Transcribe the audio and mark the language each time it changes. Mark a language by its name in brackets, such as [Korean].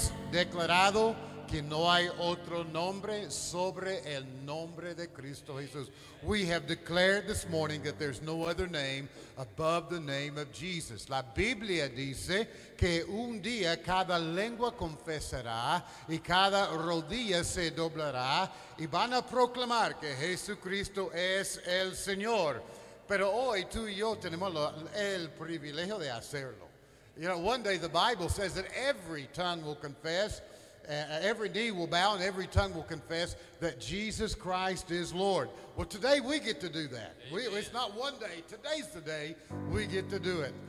[Spanish] Declarado que no hay otro nombre sobre el nombre de Cristo Jesús. [English] We have declared this morning that there's no other name above the name of Jesus. [Spanish] La Biblia dice que un día cada lengua confesará y cada rodilla se doblará y van a proclamar que Jesucristo es el Señor. Pero hoy tú y yo tenemos el privilegio de hacerlo. [English] You know, one day the Bible says that every tongue will confess, every knee will bow, and every tongue will confess that Jesus Christ is Lord. Well, today we get to do that. It's not one day. Today's the day we get to do it.